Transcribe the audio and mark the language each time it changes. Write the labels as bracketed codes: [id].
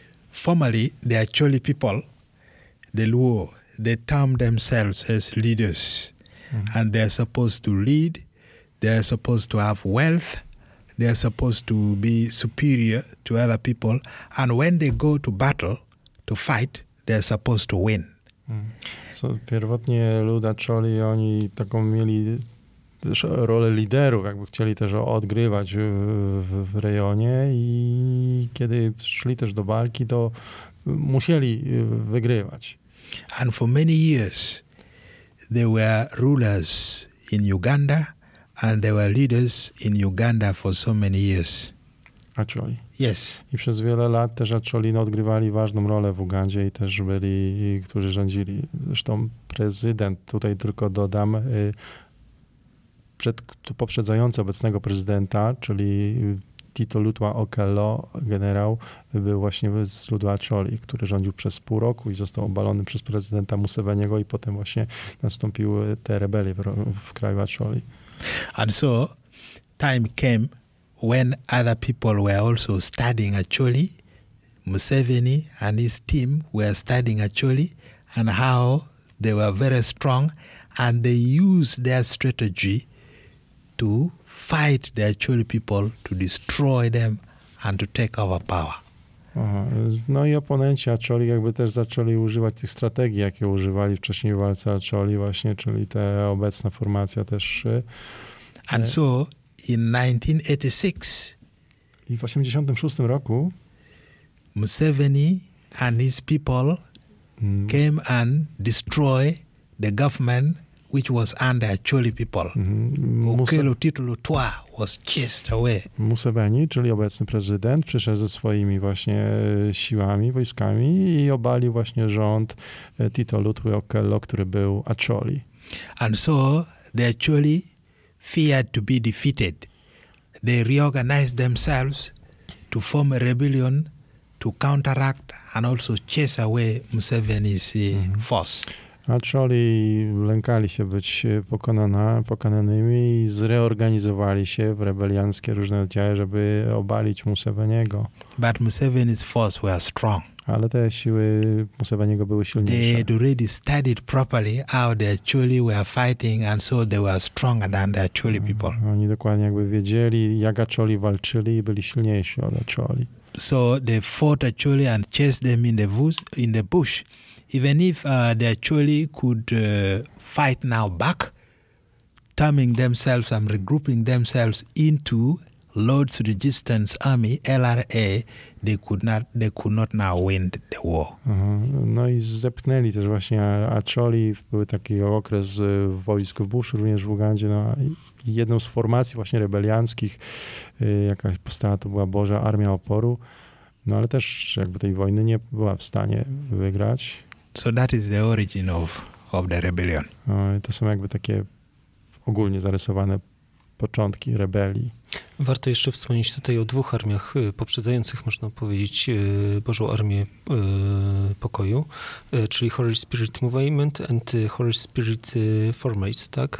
[en] Formerly, the Acholi people, the Luo, they termed themselves as leaders, and they're supposed to lead. They're supposed to have wealth. They are supposed to be superior to other people, and when they go to battle, to fight, they are supposed to win. [pl] So, pierwotnie Luda Czoli, oni taką mieli też rolę liderów, jakby chcieli też odgrywać w rejonie i kiedy szli też do walki, to musieli wygrywać. [en] And for many years, they were rulers in Uganda, and they were leaders in Uganda for so many years. Acholi. Yes. [pl] I przez wiele lat też Acholi odgrywali ważną rolę w Ugandzie i też byli, którzy rządzili. Zresztą prezydent, tutaj tylko dodam, poprzedzający obecnego prezydenta, czyli Tito Lutwa Okello, generał, był właśnie z Ludu Acholi, który rządził przez pół roku i został obalony przez prezydenta Museveniego i potem właśnie nastąpiły te rebelie w kraju Acholi. [en] And so, time came when other people were also studying Acholi. Museveni and his team were studying Acholi and how they were very strong, and they used their strategy to fight the Acholi people, to destroy them and to take over power. Aha. [pl] No i oponenci Acholi jakby też zaczęli używać tych strategii, jakie używali wcześniej w walce Acholi właśnie, czyli ta obecna formacja też. [en] And so in 1986 [pl] i w 86 roku [en] Museveni and his people came and destroyed the government which was under Acholi people. Okello Tito Lutwa was chased away. [pl] Museveni, czyli obecny prezydent, przyszedł ze swoimi właśnie siłami, wojskami i obalił właśnie rząd Tito Lutwy Okello, który był Acholi. [en] And so the Acholi feared to be defeated. They reorganized themselves to form a rebellion to counteract and also chase away Museveni's force. [pl] Acholi lękali się być pokonanymi i zreorganizowali się w rebelianckie różne oddziały, żeby obalić Museveniego. [en] But Museveni's force were strong. [pl] Ale te siły Museveniego były silniejsze. [en] They had already studied properly how the Acholi were fighting, and so they were stronger than the Acholi people. [pl] Oni dokładnie jakby wiedzieli, jak Acholi walczyli i byli silniejsi od Acholi. [en] So they fought Acholi and chased them in the bush. Even if the Acholi could fight now back, turning themselves and regrouping themselves into Lord's Resistance Army, LRA, they could not now win the war. [pl] No i zepnęli też właśnie Acholi, był taki okres wojsk Bush również w Ugandzie, no i jedną z formacji właśnie rebelianckich, jakaś powstała, to była Boża Armia Oporu, no ale też jakby tej wojny nie była w stanie wygrać. [en] So that is the origin of the rebellion. [pl] To są jakby takie ogólnie zarysowane początki rebelii. Warto jeszcze wspomnieć tutaj o dwóch armiach poprzedzających, można powiedzieć, Bożą Armię Pokoju, czyli Holy Spirit Movement and Holy Spirit Forces, tak?